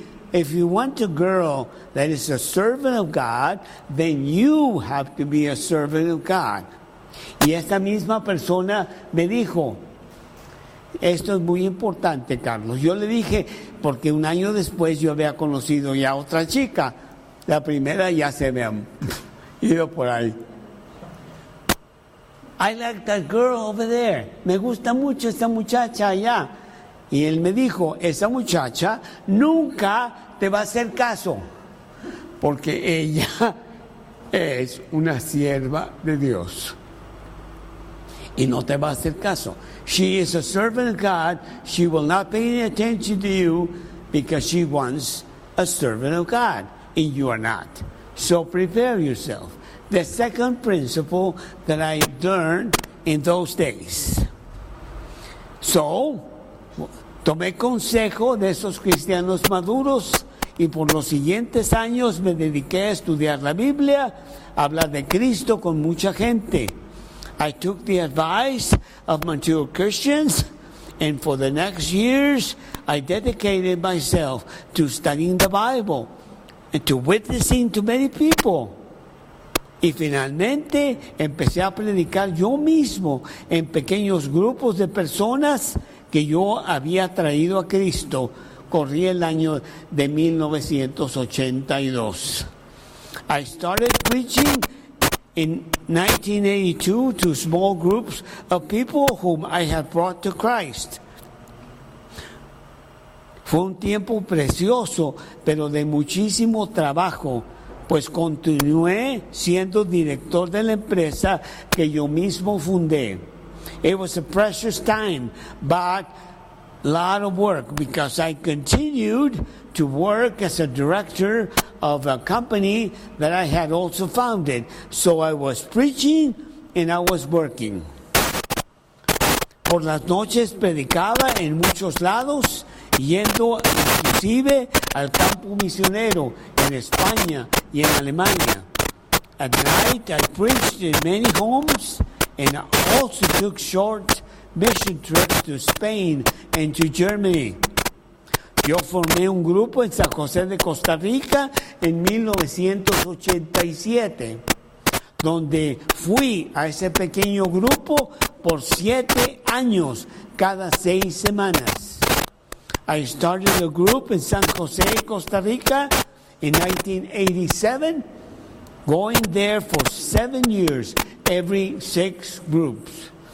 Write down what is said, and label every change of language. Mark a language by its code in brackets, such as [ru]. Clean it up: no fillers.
[en] If you want a girl that is a servant of God, then you have to be a servant of God. [es] Y esta misma persona me dijo, esto es muy importante, Carlos. Yo le dije, porque un año después yo había conocido ya otra chica. La primera ya se me ha ido por ahí. [en] I like that girl over there. [es] Me gusta mucho esa muchacha allá. Y él me dijo, esa muchacha nunca te va a hacer caso, porque ella es una sierva de Dios. Y no te va a hacer caso. [en] She is a servant of God. She will not pay any attention to you because she wants a servant of God. And you are not. So prepare yourself. The second principle that I learned in those days. [es] So, tomé consejo de esos cristianos maduros y por los siguientes años me dediqué a estudiar la Biblia, a hablar de Cristo con mucha gente. [en] I took the advice of mature Christians, and for the next years, I dedicated myself to studying the Bible and to witnessing to many people. [es] Y finalmente empecé a predicar yo mismo en pequeños grupos de personas que yo había traído a Cristo. Corrí el año de 1982. [en] I started preaching in 1982 to small groups of people whom I had brought to Christ. [es] Fue un tiempo precioso, pero de muchísimo trabajo, pues continué siendo director de la empresa que yo mismo fundé. [en] It was a precious time, but a lot of work, because I continued to work as a director of a company that I had also founded. So I was preaching and I was working. [es] Por las noches predicaba en muchos lados, yendo inclusive al campo misionero en España y en Alemania. [en] At night, I preached in many homes and also took short mission trips to Spain and to Germany. [es] Yo formé un grupo en San José de Costa Rica en 1987, donde fui a ese pequeño grupo por 7 años, cada 6 semanas. [en] I started a group in San José, Costa Rica in 1987, going there for 7 years, every 6 groups.